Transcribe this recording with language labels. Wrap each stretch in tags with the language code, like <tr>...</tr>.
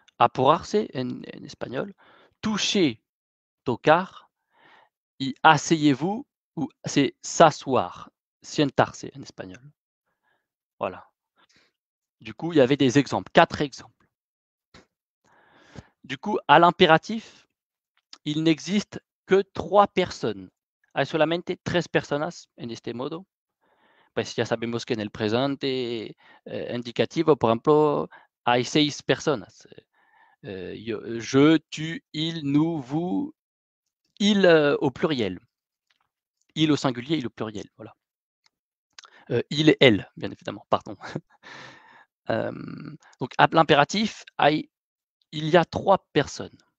<fr>Apurarse, en espagnol. Toucher, tocar, y asseyez-vous, ou c'est s'asseoir, sentarse en espagnol. Voilà. Du coup, il y avait des exemples, quatre exemples. Du coup, à l'impératif, il n'existe que trois personnes.</fr> <es>Hay solamente tres personas en este modo. Pues ya sabemos que en el presente indicativo, por ejemplo, hay seis personas.</es> <fr>Je, tu, il, nous, vous, il au pluriel. Il au singulier, il au pluriel. Voilà. Il et elle, bien évidemment, pardon. Donc, à l'impératif, il y a trois personnes.</fr>